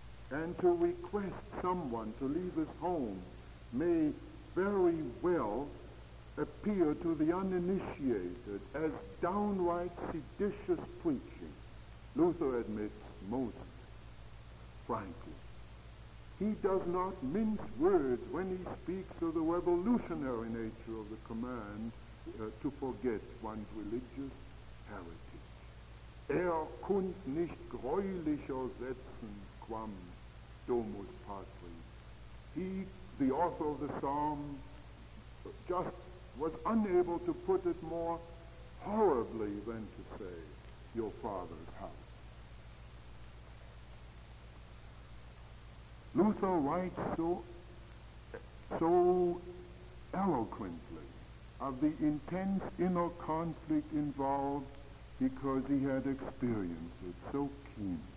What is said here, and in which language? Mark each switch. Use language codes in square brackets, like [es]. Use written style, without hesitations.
[en] And to request someone to leave his home may very well appear to the uninitiated as downright seditious preaching, Luther admits most frankly. He does not mince words when he speaks of the revolutionary nature of the command to forget one's religious heritage. [de] Er kunt nicht greulicher setzen, [la] quam Domus Patri. [en] He, the author of the psalm, just was unable to put it more horribly than to say, your father's house. Luther writes so eloquently of the intense inner conflict involved because he had experienced it so keenly.